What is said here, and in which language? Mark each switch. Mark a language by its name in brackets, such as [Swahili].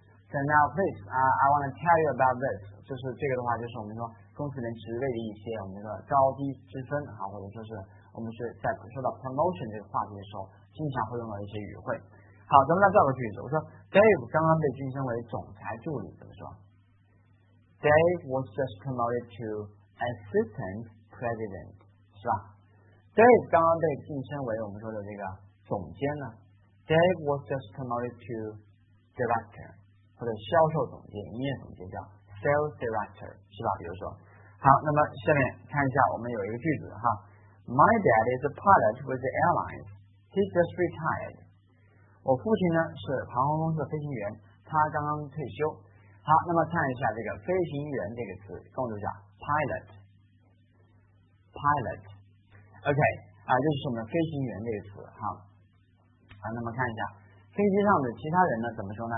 [English] So now, please, I want to tell you about this. [Chinese] 就是这个的话，就是我们说公司人职位的一些我们的高低之分啊，或者说是我们是在说到 promotion 这个话题的时候，经常会用到一些语汇。好，咱们来造个句子。我说 Dave 刚刚被晋升为总裁助理，怎么说 ？ [English] Dave was just promoted to assistant. [Chinese] President 是吧 ？Dave 刚刚被晋升为我们说的这个总监呢。 [English] Dave was just promoted to director， [Chinese] 或者销售总监、营业总监叫 [English] sales director [Chinese] 是吧？比如说，好，那么下面看一下我们有一个句子哈。 [English] My dad is a pilot with the airlines. He just retired. [Chinese] 我父亲呢是航空公司的飞行员，他刚刚退休。好，那么看一下这个飞行员这个词，共读一下 pilot。 Pilot， OK， 啊，就是我们的飞行员这个词哈，啊，那么看一下飞机上的其他人呢怎么说呢？